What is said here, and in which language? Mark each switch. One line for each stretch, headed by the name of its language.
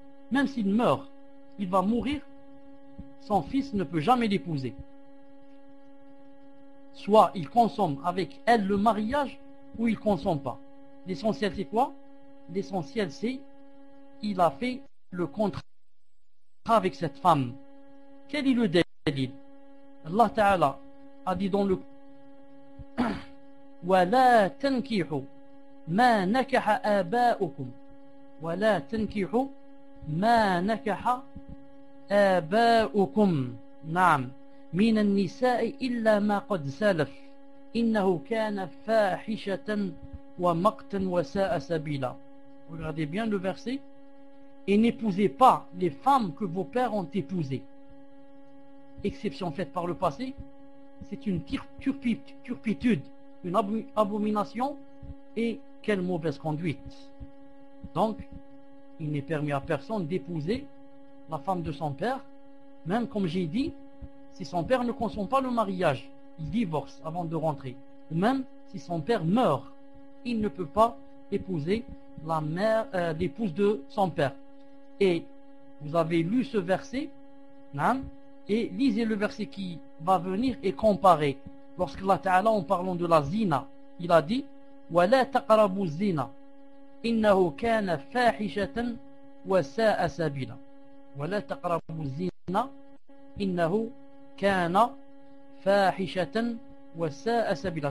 French: Même s'il meurt, il va mourir, son fils ne peut jamais l'épouser. Soit il consomme avec elle le mariage, ou il ne consomme pas. L'essentiel c'est quoi? L'essentiel c'est il a fait le contrat avec cette femme. Quel est le délit? Allah Ta'ala a dit dans le
Arabic: وَلَا تَنْكِحُ مَا نَكَحَ آبَاؤُكُمْ وَلَا تَنْكِحُ مَا نَكَحَ آبَاؤُكُمْ نعم من النساء إلا ما قد سلف إنه كان فاحشة ومقتا وساء سبيلا.
French: Regardez bien le verset. Et n'épousez pas les femmes que vos pères ont épousées. Exception faite par le passé, c'est une turpitude, une abomination et quelle mauvaise conduite. Donc, il n'est permis à personne d'épouser la femme de son père, même comme j'ai dit, si son père ne consomme pas le mariage, il divorce avant de rentrer. Ou même si son père meurt, il ne peut pas épouser la mère, l'épouse de son père. Et vous avez lu ce verset, Naam, et lisez le verset qui va venir et comparez. Lorsque Allah Ta'ala, en parlant de la zina, il a dit
Arabic: وَلَا تَقْرَبُوا الزِّنَا إِنَّهُ كَانَ فَاحِشَةً وَسَاءَ سَبِيلًا وَلَا تَقْرَبُوا الزِّنَا إِنَّهُ كَانَ فَاحِشَةً وَسَاءَ سَبِيلًا.